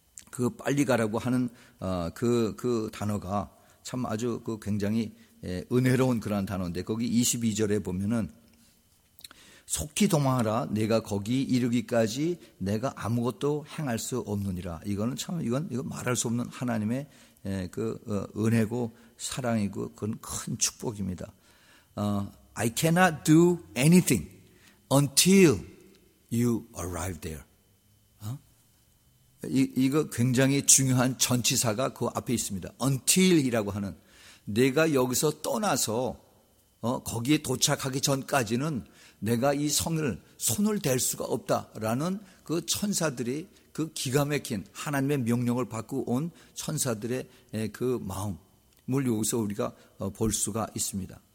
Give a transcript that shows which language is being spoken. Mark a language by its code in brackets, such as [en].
[ko] 그 빨리 가라고 하는 그 단어가 참 아주 그 굉장히 은혜로운 그런 단어인데 거기 22절에 보면은 속히 도망하라. 내가 거기 이르기까지 내가 아무것도 행할 수 없느니라. 이거는 참 이건 말할 수 없는 하나님의 그 은혜고 사랑이고 그건 큰 축복입니다. [en] I cannot do anything until you arrive there. [ko] 이거 굉장히 중요한 전치사가 그 앞에 있습니다. Until이라고 하는 내가 여기서 떠나서 거기에 도착하기 전까지는 내가 이 성을 손을 댈 수가 없다라는 그 천사들이 그 기가 막힌 하나님의 명령을 받고 온 천사들의 그 마음을 여기서 우리가 볼 수가 있습니다.